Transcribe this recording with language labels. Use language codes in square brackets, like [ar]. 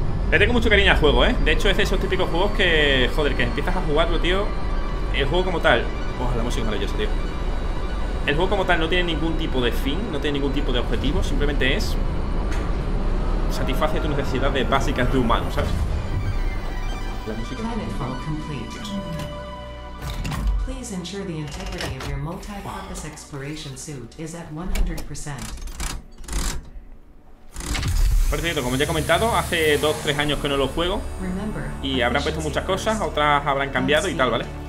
[es] Le tengo mucho cariño al juego, ¿eh? De hecho, es de esos típicos juegos que, joder, que empiezas a jugarlo, tío. El juego como tal. ¡Oh, la música es maravillosa, tío! El juego como tal no tiene ningún tipo de fin, no tiene ningún tipo de objetivo, simplemente es. Satisface tus necesidades básicas de humano, ¿sabes? [en] La música. Planet fall complete. Please ensure the integrity of your multi-purpose exploration suit is at 100%. [es] Por cierto, como ya he comentado, hace 2-3 años que no lo juego y habrán puesto muchas cosas, otras habrán cambiado y tal, ¿vale?